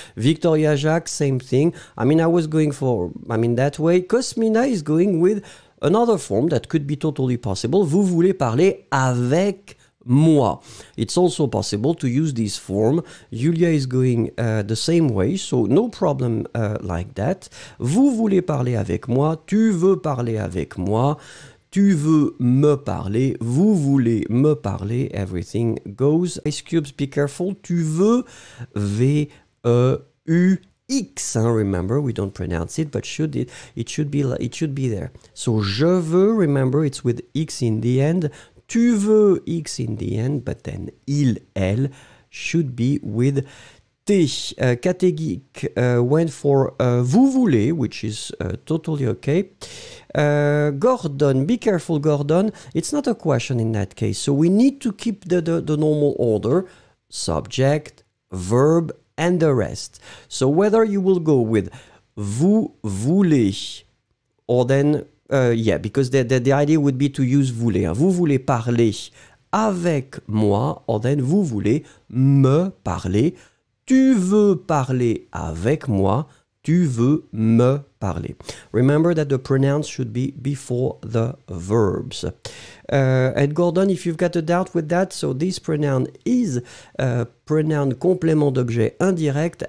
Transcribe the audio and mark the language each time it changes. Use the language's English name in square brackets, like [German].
[English] Victoria Jacques, same thing. I mean, that way. Cosmina is going with another form that could be totally possible. [French] Vous voulez parler avec moi. [English] It's also possible to use this form. Julia is going the same way, so no problem like that. [French] Vous voulez parler avec moi, tu veux parler avec moi, tu veux me parler, vous voulez me parler, [English] everything goes. Ice Cubes, be careful, tu veux, V-E-U-X, hein, remember, we don't pronounce it, but should it should be there. So je veux, remember, it's with X in the end. Tu veux X in the end, but then il, elle, should be with T. Kategeek went for vous voulez, which is totally okay. Gordon, be careful, Gordon. It's not a question in that case. So we need to keep the normal order. Subject, verb, and the rest. So whether you will go with vous voulez, or then yeah, because the idea would be to use voulez. Hein. [French] Vous voulez parler avec moi, [English] or then [French] vous voulez me parler. Tu veux parler avec moi, tu veux me parler. [English] Remember that the pronouns should be before the verbs. And Gordon, if you've got a doubt with that, so this pronoun is a pronoun [French] complément d'objet indirect.